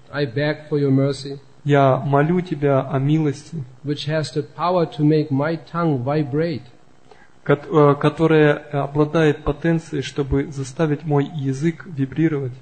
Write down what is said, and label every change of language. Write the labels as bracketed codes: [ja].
[en] I beg for your mercy. [ru] Я молю тебя о милости, [en] which has the power to make my tongue vibrate. [ru] Которая обладает потенцией, чтобы заставить мой язык вибрировать.